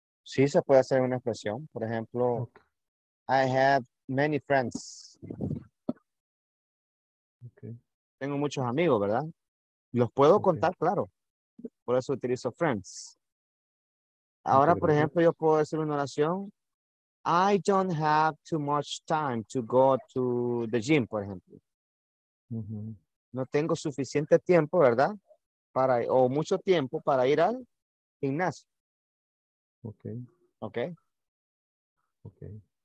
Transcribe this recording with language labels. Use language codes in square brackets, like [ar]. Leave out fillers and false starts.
[es] Sí, se puede hacer en una expresión, por ejemplo, okay. [en] I have many friends. Okay. [es] Tengo muchos amigos, ¿verdad? Los puedo contar, claro, por eso utilizo friends. Ahora, por ejemplo, yo puedo hacer una oración. [en] I don't have too much time to go to the gym, [es] por ejemplo. No tengo suficiente tiempo, ¿verdad? Para, o mucho tiempo para ir al gimnasio. [en] Okay. Okay. Okay.